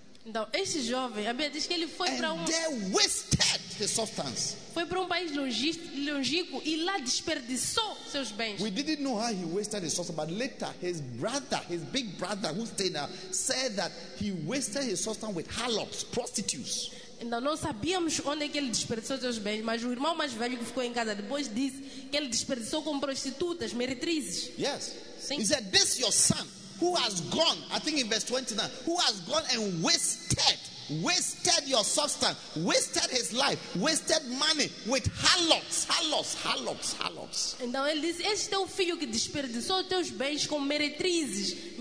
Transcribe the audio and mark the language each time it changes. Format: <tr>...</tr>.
<pt>Então esse jovem, a Bíblia diz que ele foi para um.</pt> <en>And there wasted his substance.</en> <pt>Foi para um país longínquo e lá desperdiçou seus bens.</pt> <en>We didn't know how he wasted his substance, but later his brother, his big brother, who stayed there, said that he wasted his substance with harlots, prostitutes.</en> <pt>Ainda não sabíamos onde é que ele desperdiçou seus bens, mas o irmão mais velho que ficou em casa depois disse que ele desperdiçou com prostitutas, meretrizes.</pt> <en>Yes.</en> <pt>Sim.</pt> <en>He said, this your son who has gone, I think in verse 29, who has gone and wasted your substance, wasted his life, wasted money with harlots.</en> <pt>Então ele disse, este é o filho que desperdiçou teus bens com meretrizes.</pt>